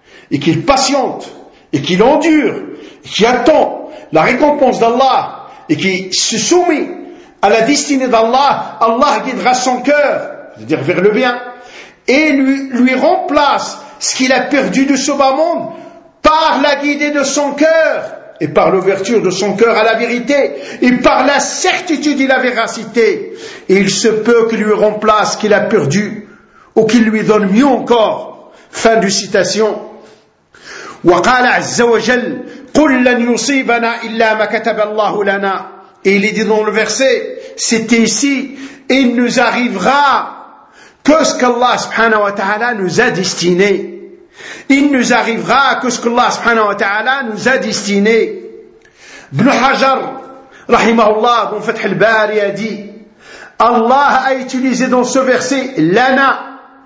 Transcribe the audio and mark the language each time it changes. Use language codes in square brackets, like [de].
[fr] et qu'il patiente, et qu'il endure, et qu'il attend la récompense d'Allah, et qu'il se soumet à la destinée d'Allah, Allah guidera son cœur, c'est-à-dire vers le bien, et lui remplace ce qu'il a perdu de ce bas monde par la guidée de son cœur et par l'ouverture de son cœur à la vérité et par la certitude et la véracité. Et il se peut qu'il lui remplace ce qu'il a perdu ou qu'il lui donne mieux encore. Fin de citation. [ar] وقال عز وجل قل لن يصيبنا إلا ما كتب الله لنا. [fr] Et il est dit dans le verset, c'était ici, il nous arrivera que ce qu'Allah subhanahu wa ta'ala nous a destiné. Il nous arrivera que ce qu'Allah subhanahu wa ta'ala nous a destiné. Ibn Hajar, rahimahullah, bon Fath al-Bari a dit, Allah a utilisé dans ce verset, lana.